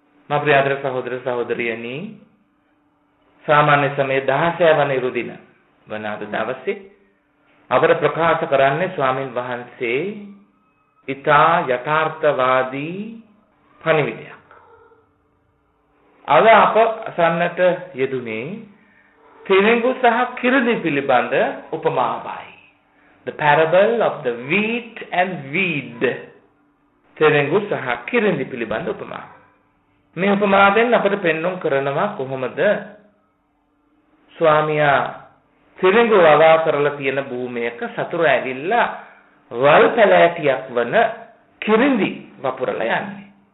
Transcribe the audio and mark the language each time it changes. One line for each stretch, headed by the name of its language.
Sinhala: මාප්‍රිය ආදර සහෝදර සහෝදරියනි, සාමාන්‍ය සමයේ 16 වන ඉරුදින වන අද දවසේ අපර ප්‍රකාශ කරන්නේ ස්වාමින් වහන්සේ ඉතා යථාර්ථවාදී පණිවිඩයක්. අද අප අසන්නට යෙදුනේ තිරිඟු සහ කිරිඳි පිළිබඳ උපමාවයි.
English: The parable of the wheat and weed.
Sinhala: තිරිඟු සහ කිරිඳි පිළිබඳ උපමාව. මේ උපමාවෙන් අපට පෙන්වුම් කරනවා කොහොමද ස්වාමියා තිරිඟු වවා කරලා තියෙන භූමියක සතුරු ඇවිල්ලා වල් පැලෑටියක් වන කිරිඳි වපුරලා යන්නේ.